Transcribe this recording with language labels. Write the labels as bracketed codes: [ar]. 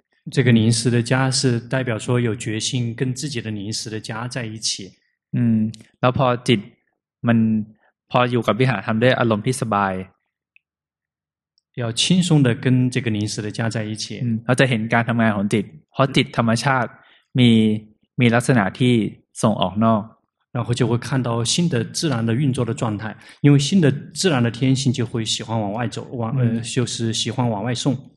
[zh] 这个临时的家是代表说有决心跟自己的临时的家在一起 [th] แล้วพอจิตมันพออยู่กับวิหารธรรมด้วยอารมณ์ที่สบาย [zh] 要轻松的跟这个临时的家在一起 [th] เราจะเห็นการทำงานของจิตเพราะจิตธรรมชาติมีลักษณะที่ส่งออกนอก [zh] 然后就会看到心的自然的运作的状态因为心的自然的天性就会喜欢往外走就是喜欢往外送